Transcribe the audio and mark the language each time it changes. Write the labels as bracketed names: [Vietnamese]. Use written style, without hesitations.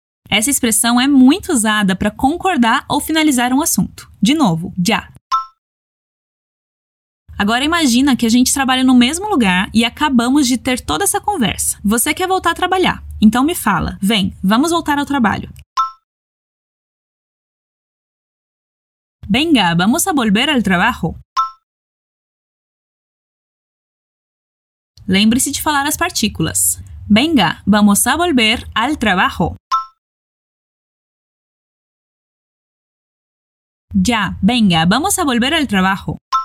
[Portuguese] Essa expressão é muito usada para concordar ou finalizar um assunto. De novo, já. Agora imagina que a gente trabalha no mesmo lugar e acabamos de ter toda essa conversa. Você quer voltar a trabalhar, então me fala. Vem, vamos voltar ao trabalho. [Spanish] Venga, vamos a volver al trabajo. [Portuguese] Lembre-se de falar as partículas. [Spanish] Venga, vamos a volver al trabajo. Ya, venga, vamos a volver al trabajo.